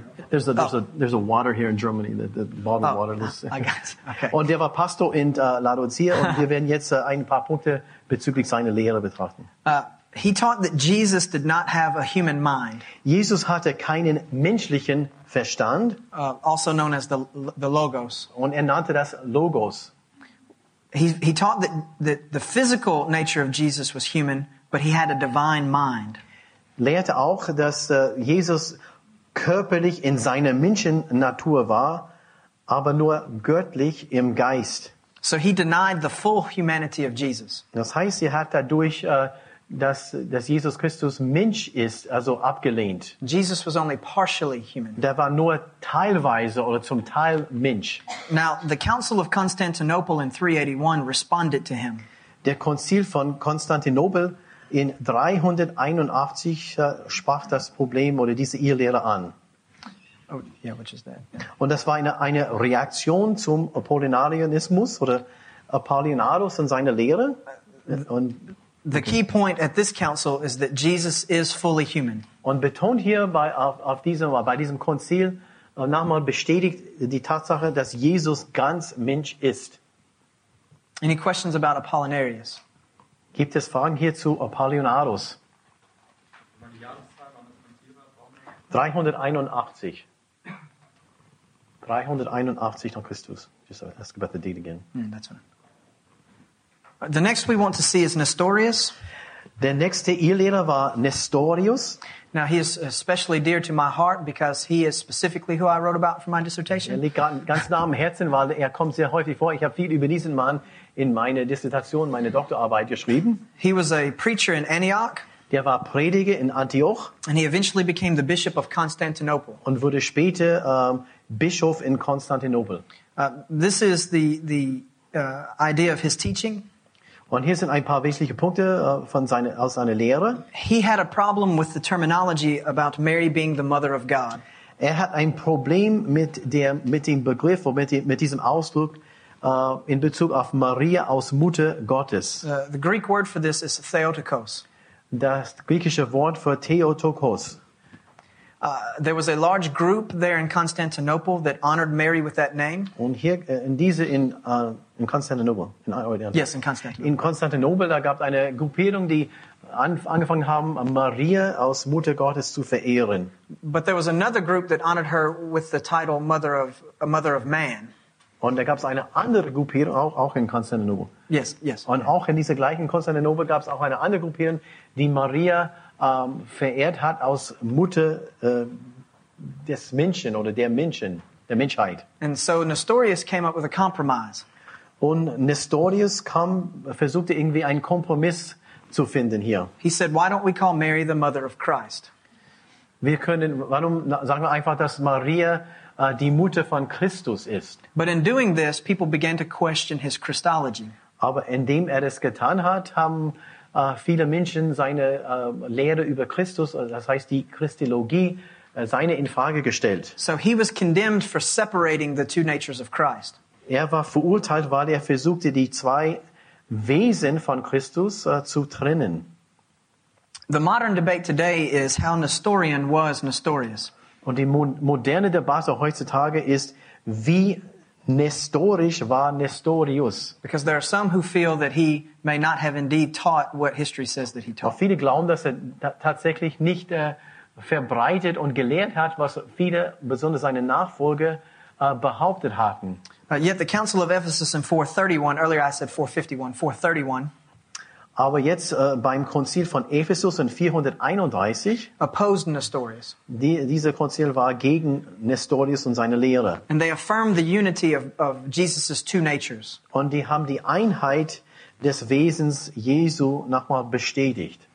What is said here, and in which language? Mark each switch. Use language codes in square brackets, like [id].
[en] There's a water here in Germany, the bottled water. I got it. Okay. [de] Und der war Pastor in Laodicea. Und wir werden jetzt ein paar Punkte bezüglich seiner Lehre betrachten. [en] He taught that Jesus did not have a human mind. [de] Jesus hatte keinen menschlichen Verstand. [en] Also known as the Logos. [de] Und nannte das Logos. [en] He taught that the physical nature of Jesus was human, but he had a divine mind. [de] Lehrte auch, dass Jesus körperlich in seiner Menschennatur war, aber nur göttlich im Geist. [en] So he denied the full humanity of Jesus. [de] Das heißt, er hat dadurch, dass Jesus Christus Mensch ist, also abgelehnt. [en] Jesus was only partially human. [de] Der war nur teilweise oder zum Teil Mensch. [en] Now the Council of Constantinople in 381 responded to him. [de] Der Konzil von Konstantinopel in 381 sprach das Problem oder diese Irrlehre an. [en] Oh, yeah, which is that? Yeah. [de] Und das war eine Reaktion zum Apollinarianismus oder Apollinarius und seine Lehre. Und [en] The key point at this council is that Jesus is fully human. [de] Und betont hier bei diesem Konzil nochmal bestätigt die Tatsache, dass Jesus ganz Mensch ist. [en] Any questions about Apollinarius? [de] Gibt es Fragen hier zu Apollinarius? 381 nach Christus. [en] Just ask about the date again. That's right. The next we want to see is Nestorius. [de] Der nächste Irrlehrer war Nestorius. [en] Now he is especially dear to my heart because he is specifically who I wrote about for my dissertation. [de] Er liegt ganz nah am Herzen, weil er kommt sehr häufig vor. Ich habe viel über diesen Mann in meine Dissertation, meine Doktorarbeit geschrieben. [en] He was a preacher in Antioch. [de] Der war Prediger in Antioch. [en] And he eventually became the bishop of Constantinople. [de] Und wurde später Bischof in Konstantinopel. [en] This is the idea of his teaching. [de] Und hier sind ein paar wesentliche Punkte aus seiner Lehre. [en] He had a problem with the terminology about Mary being the mother of God. [de] Er hat ein Problem mit dem Begriff oder mit diesem Ausdruck in Bezug auf Maria als Mutter Gottes. [en] The Greek word for this is Theotokos. [de] Das griechische Wort für Theotokos. [en] There was a large group there in Constantinople that honored Mary with that name. [de] Und hier in Constantinople. [en] Yes, in Constantinople. [de] In Constantinople, da gab es eine Gruppierung, die angefangen haben, Maria als Mutter Gottes zu verehren. [en] But there was another group that honored her with the title Mother of Man. [de] Und da gab es eine andere Gruppierung auch in Constantinople. [en] Yes, yes. [de] Und auch in dieser gleichen Constantinople gab es auch eine andere Gruppierung, die Maria verehrt hat als Mutter des Menschen oder der Menschen, der Menschheit. [en] And so Nestorius came up with a compromise. [de] Und Nestorius versuchte irgendwie einen Kompromiss zu finden hier. [en] He said, why don't we call Mary the mother of Christ? [de] Warum sagen wir einfach, dass Maria die Mutter von Christus ist? [en] But in doing this, people began to question his Christology. [de] Aber indem er das getan hat, haben viele Menschen seine Lehre über Christus, das heißt die Christologie, seine in Frage gestellt. [en] So he was condemned for separating the two natures of Christ. [de] Er war verurteilt, weil er versuchte, die zwei Wesen von Christus zu trennen. [en] The modern debate today is how Nestorian was Nestorius. [de] Und die moderne Debatte heutzutage ist, wie Nestorisch war Nestorius. [en] Because there are some who feel that he may not have indeed taught what history says that he taught. [de] Viele glauben, dass er tatsächlich nicht verbreitet und gelehrt hat, was viele, besonders seine Nachfolger, behauptet hatten. [en] Yet the Council of Ephesus in 431, earlier I said 451, 431. [de] Aber jetzt beim Konzil von Ephesus in 431 [en] opposed Nestorius. [de] Dieser Konzil war gegen Nestorius und seine Lehre. [en] And they affirmed the unity of Jesus's two natures. [de] Und die haben die Einheit des Wesens Jesu nochmal bestätigt.